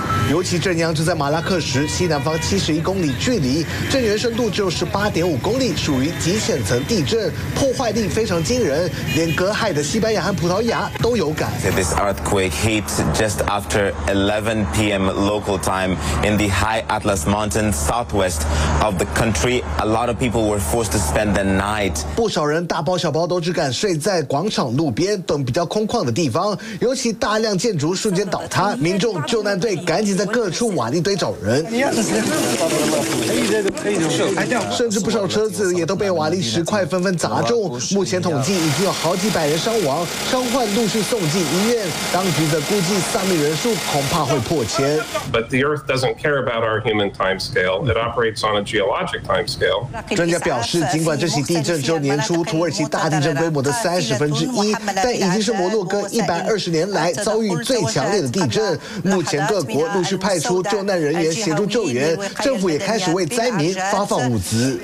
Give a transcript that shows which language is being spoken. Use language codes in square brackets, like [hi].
[zh] 尤其震央就在马拉克什西南方71公里距离，震源深度只有18.5公里，属于极浅层地震，破坏力非常惊人，连隔海的西班牙和葡萄牙都有感。 [en] This earthquake hit just after 11 p.m. local time in the high Atlas Mountain southwest of the country. A lot of people were forced to spend the night. [zh] 不少人大包小包都只敢睡在广场路边等比较空旷的地方，尤其大量建筑瞬间倒塌，民众救难队赶紧在各处瓦砾堆找人。甚至不少车子也都被瓦砾石块纷纷砸中，目前统计已经有好几百人伤亡，伤患陆续送进医院，当局则估计丧命人数恐怕会破千。 [en] But the earth doesn't care about our human time scale. It operates on a geologic time scale. [zh] 专家表示，尽管这起地震只有年初土耳其大地震规模的1/30，但已经是摩洛哥120年来遭遇最强烈的地震。目前各国陆续派出救难人员协助救援，政府也开始为灾民发放物资。